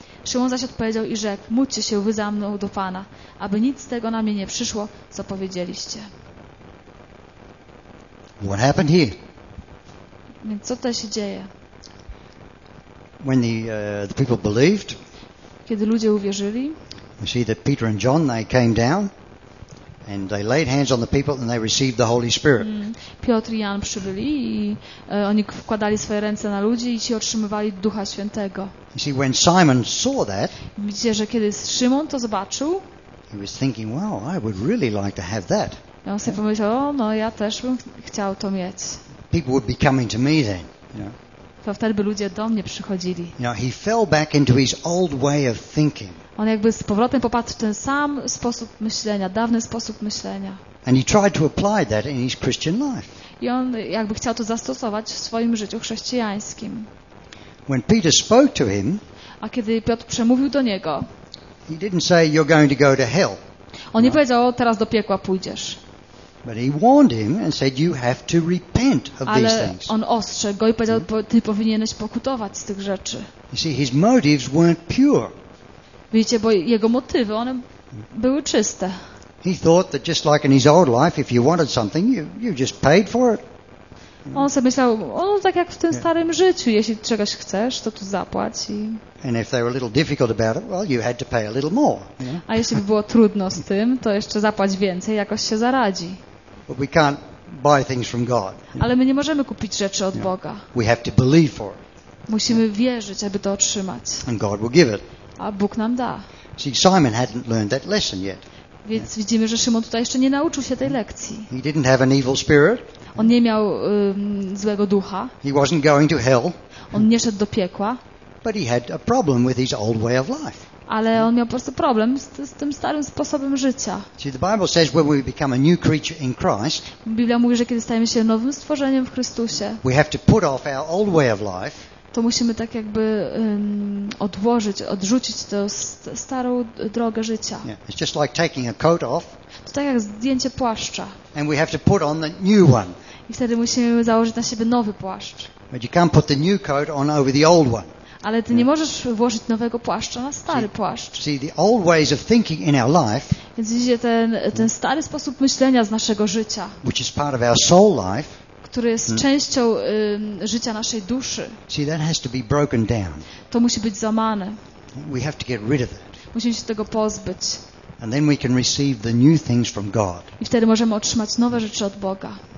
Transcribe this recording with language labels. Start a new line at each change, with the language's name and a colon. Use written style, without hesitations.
Polish: Szymon zaś odpowiedział i rzekł, módlcie się wy za mną do Pana, aby nic z tego na mnie nie przyszło, co powiedzieliście.
English: What happened here?
Polish: Więc co tutaj się dzieje?
English: When the people believed,
Polish: kiedy ludzie uwierzyli,
English: we see that Peter and John, they came down and they laid hands on the people and they received the Holy Spirit.
Polish: Piotr i Jan przybyli i oni wkładali swoje ręce na ludzi i ci otrzymywali Ducha Świętego.
English: You see, when Simon saw that,
Polish: widzicie, że kiedy Szymon to zobaczył,
English: he was thinking, wow, I would really like to have that.
Polish: I on sobie pomyślał, no ja też bym chciał to mieć.
English: People would be coming to me then, you know.
Polish: To wtedy by ludzie do mnie przychodzili.
English: You know, he fell back into his old way of thinking.
Polish: On jakby z powrotem popadł w ten sam sposób myślenia, dawny sposób myślenia.
English: And he tried to apply that in his Christian life.
Polish: I on jakby chciał to zastosować w swoim życiu chrześcijańskim.
English: When Peter spoke to him,
Polish: a kiedy Piotr przemówił do niego,
English: he didn't say, you're going to go to hell.
Polish: On nie powiedział, teraz do piekła pójdziesz.
English: But he warned him and said, "You have to repent of these
Polish: Ale
English: things."
Polish: On ostrzegł go i powiedział, ty powinieneś pokutować z tych rzeczy.
English: You see, his motives weren't pure.
Polish: Widzicie, bo jego motywy, one były czyste.
English: He thought that just like in his old life, if you wanted something, you just paid for it.
Polish: On sobie myślał, tak jak w tym starym życiu, jeśli czegoś chcesz, to tu zapłać.
English: And if they were a little difficult about it, well, you had to pay a little more. You know?
Polish: A jeśli by było trudno z tym, to jeszcze zapłać więcej, jakoś się zaradzi.
English: But we can't buy things from God.
Polish: Ale my nie możemy kupić rzeczy od Boga.
English: We have to believe for it.
Polish: Musimy wierzyć, aby to otrzymać.
English: And God will give it.
Polish: A Bóg nam da.
English: See, Simon hadn't learned that lesson yet.
Polish: Więc widzimy, że Szymon tutaj jeszcze nie nauczył się tej lekcji.
English: He didn't have an evil spirit.
Polish: On nie miał złego ducha.
English: He wasn't going to hell.
Polish: On nie szedł do piekła.
English: But he had a problem with his old way of life.
Polish: Ale on miał po prostu problem z tym starym sposobem życia.
English: See, the Bible says when we become a new creature in Christ,
Polish: Biblia mówi, że kiedy stajemy się nowym stworzeniem w Chrystusie,
English: we have to put off our old way of life,
Polish: to musimy tak jakby odłożyć, odrzucić tę starą drogę życia.
English: Yeah, it's just like taking a coat off,
Polish: to tak jak zdjęcie płaszcza.
English: And we have to put on the new one.
Polish: I wtedy musimy założyć na siebie nowy płaszcz.
English: But you can't put the new coat on over the old one.
Polish: Ale ty nie możesz włożyć nowego płaszcza na stary płaszcz.
English: See, the old ways of thinking in our life,
Polish: więc widzicie, ten stary sposób myślenia z naszego życia,
English: which is part of our soul life,
Polish: który jest częścią życia naszej duszy,
English: see, that has to be broken down.
Polish: To musi być złamane.
English: We have to get rid of it.
Polish: Musimy się tego pozbyć.
English: And then we can receive the new things from God.
Polish: I wtedy możemy otrzymać nowe rzeczy od Boga.